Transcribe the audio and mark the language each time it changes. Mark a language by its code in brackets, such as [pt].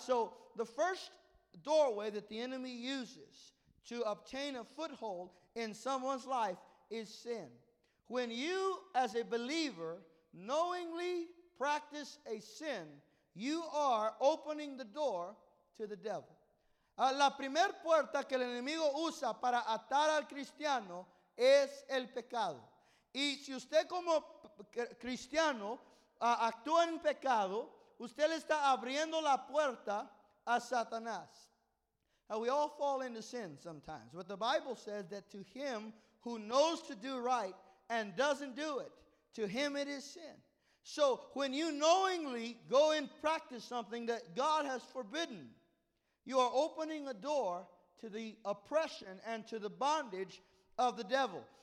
[en] So the first doorway that the enemy uses to obtain a foothold in someone's life is sin. When you, as a believer, knowingly practice a sin, you are opening the door to the devil. [es] La primer puerta que el enemigo usa para atar al cristiano es el pecado. Y si usted como cristiano actúa en pecado, usted le está abriendo la puerta a Satanás. [en] Now, we all fall into sin sometimes, but the Bible says that to him who knows to do right and doesn't do it, to him it is sin. So when you knowingly go and practice something that God has forbidden, you are opening a door to the oppression and to the bondage of the devil.